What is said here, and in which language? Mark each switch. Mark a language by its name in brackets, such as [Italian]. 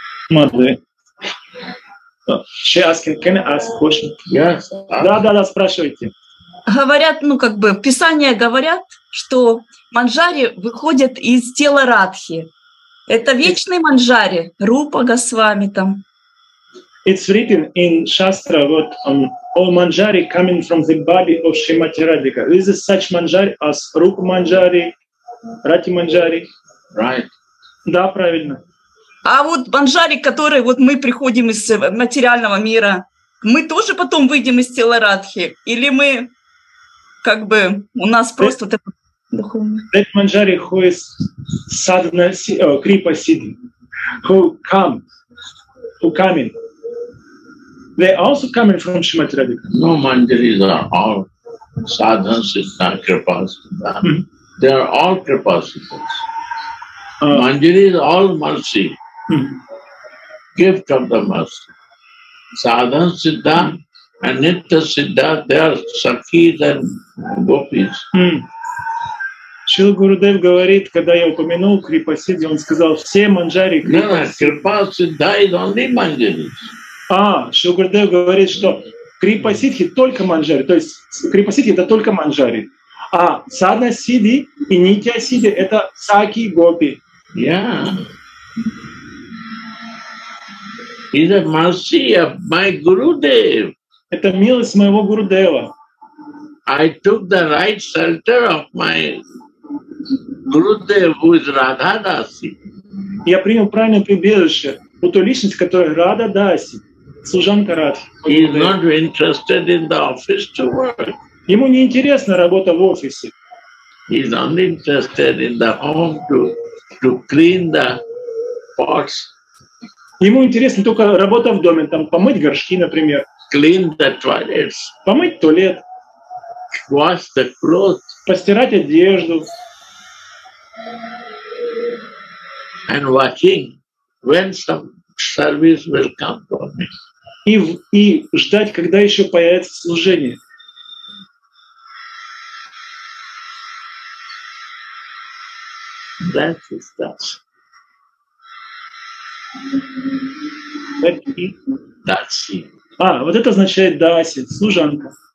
[English] Мады. She asking, can I ask question? Yes. [Russian] Да, спрашивайте. Говорят, ну как бы, писания говорят, что манджари выходят из тела Радхи. Это вечный манджари, Рупа Госвами там. [English] It's written in Shastra, what, all manjari coming from the body of Shrimati Radhika. This is such manjari as Rupa manjari, Rati manjari. Right. [Russian] Да, правильно. А вот манджари, которые вот мы приходим из материального мира, мы тоже потом выйдем из тела Радхи? Или мы как бы, у нас просто [English] that, [Russian] вот это духовное? [English] That manjari who is sadhana, kripa siddhi, who come, who come in. They also coming from Shrimati Radhika. No manjaris are all sadhana siddha, kripa siddha. They are all kripa siddhas. Manjari is all mercy. Gift of the mercy. Sadhana siddha and nitya siddha, they are sakhis and gopis. [Russian] Шрила Гурудев говорит, когда я упомянул крипа сиддхи, он сказал, все манджари крипа [English] сиддхи. No, крипа сиддха is only manjaris. [Russian] Шрила Гурудев говорит, что крипа сиддхи только манджари, то есть крипа сиддхи это только манджари. А садна сиди и нитя сиди – это саки и гопи. [English] Yeah. He's a mercy of my Gurudev. [Russian] Это милость моего Гурудева. [English] I took the right shelter of my Gurudev, who is Radha Dasi. [Russian] Я принял правильное прибежище у той личности, которая Radha Dasi, служанка Радхи. [English] He's not interested in the office to work. [Russian] Ему не интересна работа в офисе. [English] He's only interested in the home to clean the pots. [Russian] Ему интересна только работа в доме, там помыть горшки, например. [English] Clean the toilets. [Russian] Помыть туалет. [English] Wash the clothes. [Russian] Постирать одежду. [English] And watching when some service will come for me. [Russian] И ждать, когда еще появится служение. [English] That is das. That is dasi. [Russian] Вот это означает даси, служанка.